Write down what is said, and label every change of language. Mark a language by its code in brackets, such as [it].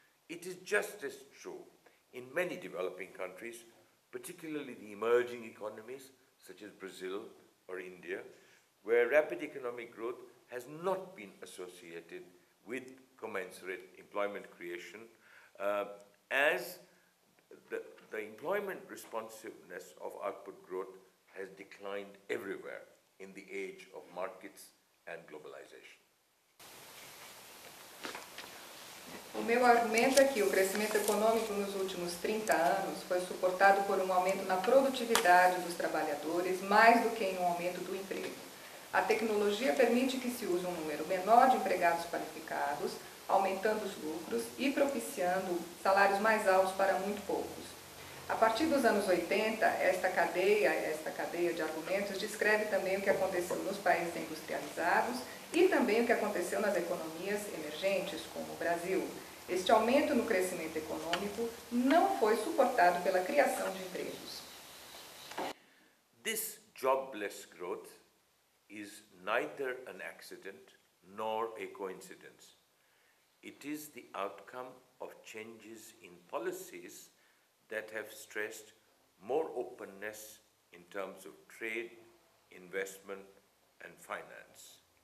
[en] It is just as true in many developing countries, particularly the emerging economies such as Brazil or India, where rapid economic growth has not been associated with commensurate employment creation, as the employment responsiveness of output growth has declined everywhere in the age of markets and globalization. [pt] O meu argumento é que o crescimento econômico nos últimos 30 anos foi suportado por um aumento na produtividade dos trabalhadores mais do que em um aumento do emprego. A tecnologia permite que se use um número menor de empregados qualificados, aumentando os lucros e propiciando salários mais altos para muito poucos. A partir dos anos 80, esta cadeia de argumentos descreve também o que aconteceu nos países industrializados e também o que aconteceu nas economias emergentes, como o Brasil. Este aumento no crescimento econômico não foi suportado pela criação de empregos. [en] This jobless growth is neither an accident nor a coincidence. It is the outcome of changes in policies that have stressed more openness in terms of trade, investment, and finance.